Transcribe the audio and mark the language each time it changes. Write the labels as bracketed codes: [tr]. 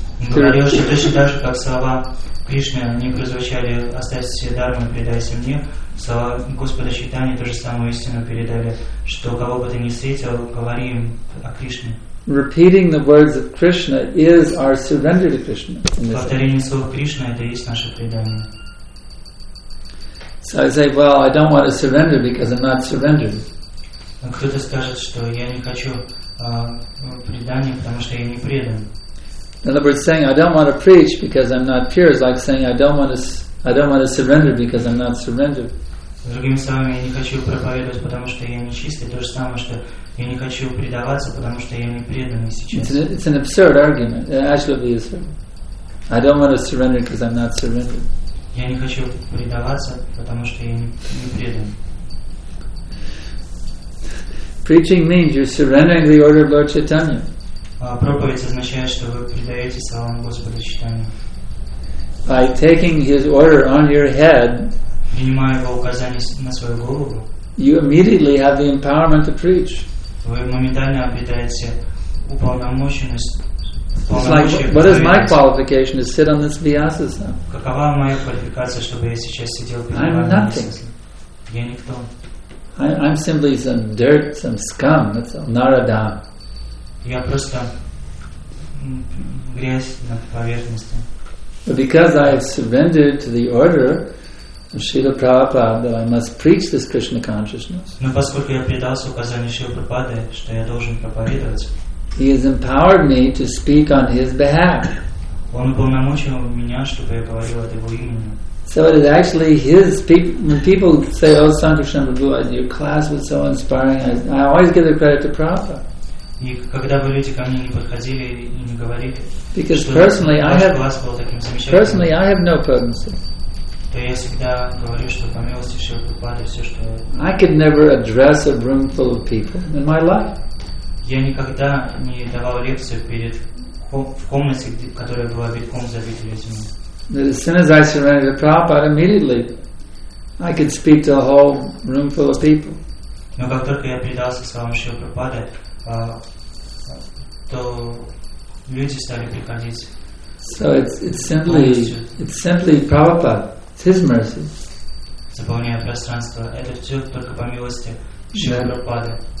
[ru] Говорил, что точно так же, как слова Кришны не прозвучали «Оставьте себе дарму, передайте мне», слова Господа Чайтаньи ту же самую истину передали, что кого бы ты ни встретил, говори им о Кришне. [en] Repeating the words of Krishna is our surrender to Krishna. [ru] Повторение слов Кришны – это и есть наше предание. [en] So I say, well, I don't want to surrender because I'm not surrendered. [ru] Кто-то скажет, что я не хочу предания, потому что я не предан. [en] In other words, saying I don't want to preach because I'm not pure is like saying I don't want to surrender because I'm not surrendered. [ru] Другими словами, я не хочу проповедовать, потому что я не чистый. То же самое, что я не хочу предаваться, потому что я не преданный сейчас. [en] It's an absurd argument. It actually is. I don't want to surrender because I'm not surrendered. [ru] Я не хочу предаваться, потому что я не преданный. [en] Preaching means you're surrendering the order of Lord Chaitanya. [ru] Проповедь означает, что вы предаете словам Господа Читания. [en] By taking his order on your head, [ru] принимая его указание на свою голову, [en] you immediately have the empowerment to preach. [ru] Вы моментально обретаете уполномоченность. [en] It's like, what is my qualification to sit on this vyasasa? [ru] Какова моя квалификация, чтобы я сейчас сидел перед вами? [en] I'm nothing. [ru] Я никто. [en] I'm simply some dirt, some scum. That's all. Narada. [ru] Я просто грязь на поверхности. [en] But because I have surrendered to the order of Srila Prabhupada that I must preach this Krishna consciousness. [ru] Но поскольку я предался указанию Шрилы Прабхупады, что я должен проповедовать. [en] He has empowered me to speak on his behalf. [ru] Он уполномочил меня, чтобы я говорил от его имени. [en] So it is actually his when people say, "Oh, Sankarshan Prabhu, your class was so inspiring," I always give the credit to Prabhupada. [ru] И когда вы люди ко мне не подходили и не говорили, [en] because personally I have [ru] класс был таким замечательным, [en] personally I have no potency. [ru] То я всегда говорю, что по милости Шрилы Прабхупады все, что [en] I could never address a room full of people in my life. [ru] Я никогда не давал лекцию перед в комнате, которая была битком забита людьми. [en] That as soon as I surrendered to Prabhupada, immediately I could speak to a whole room full of people. [ru] Но как только я предался словам Шрилы Прабхупады, то люди стали приходить. [en] So it's simply Prabhupada, it's his mercy. [ru] Заполняя пространство, это все только по милости Шрилы Прабхупады.